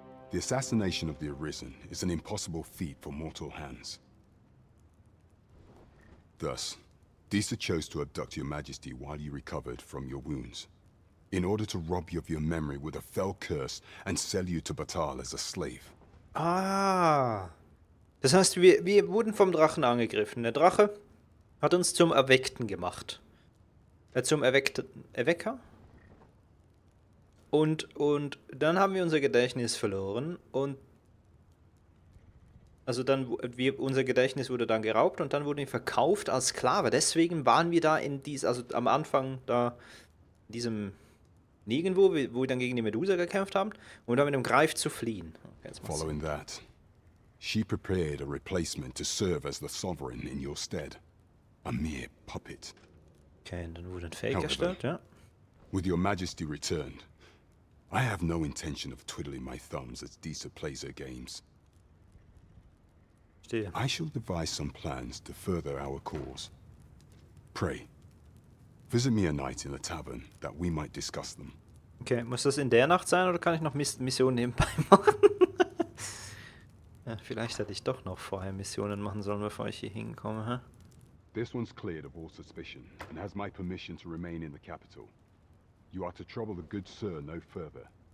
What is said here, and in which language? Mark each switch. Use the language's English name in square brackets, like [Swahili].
[English] The assassination of the arisen is an impossible feat for mortal hands. Thus, Deesa chose to abduct your majesty while you recovered from your wounds, in order to rob you of your memory with a fell curse and sell you to Batal as a slave. [German] Ah, das heißt, wir wurden vom Drachen angegriffen. Der Drache hat uns zum Erweckten gemacht. Erwecker? Und dann haben wir unser Gedächtnis verloren und also dann unser Gedächtnis wurde dann geraubt und dann wurden wir verkauft als Sklave. Deswegen waren wir da in dies also am Anfang da in diesem Nirgendwo, wo wir dann gegen die Medusa gekämpft haben und dann mit dem Greif zu fliehen. [English] Okay, following that, she prepared a replacement to serve as the sovereign in your stead, a mere puppet. [German] Okay, und dann wurde ein Fake erstellt, ja. [English] With your Majesty returned. I have no intention of twiddling my thumbs as Deesa plays her games. [German] Stehe. [English] I shall devise some plans to further our cause. Pray, visit me a night in the tavern, that we might discuss them. [German] Okay, muss das in der Nacht sein, oder kann ich noch Missionen nebenbei machen? Ja, vielleicht hätte ich doch noch vorher Missionen machen sollen, bevor ich hier hinkomme, hä? Huh? [English] This one's cleared of all suspicion and has my permission to remain in the capital. You are to trouble the good sir no further.